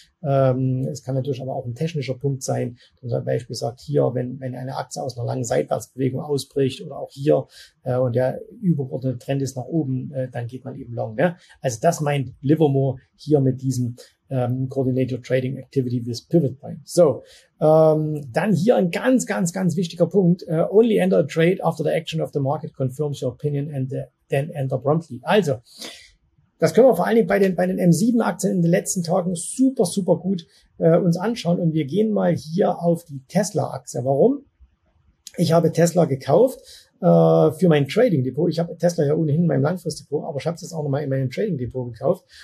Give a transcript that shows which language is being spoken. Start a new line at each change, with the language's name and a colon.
German: Es kann natürlich aber auch ein technischer Punkt sein. Zum Beispiel sagt hier, wenn eine Aktie aus einer langen Seitwärtsbewegung ausbricht oder auch hier und der übergeordnete Trend ist nach oben, dann geht man eben long. Ne? Also das meint Livermore hier mit diesem
English: Coordinate your trading activity with pivot point.
German: So, dann hier ein ganz, ganz, ganz wichtiger Punkt.
English: Only enter a trade after the action of the market confirms your opinion and then enter promptly.
German: Also, das können wir vor allen Dingen bei den M7-Aktien in den letzten Tagen super, super gut uns anschauen. Und wir gehen mal hier auf die Tesla-Aktie. Warum? Ich habe Tesla gekauft für mein Trading-Depot. Ich habe Tesla ja ohnehin in meinem Langfrist-Depot, aber ich habe es jetzt auch nochmal in meinem Trading-Depot gekauft.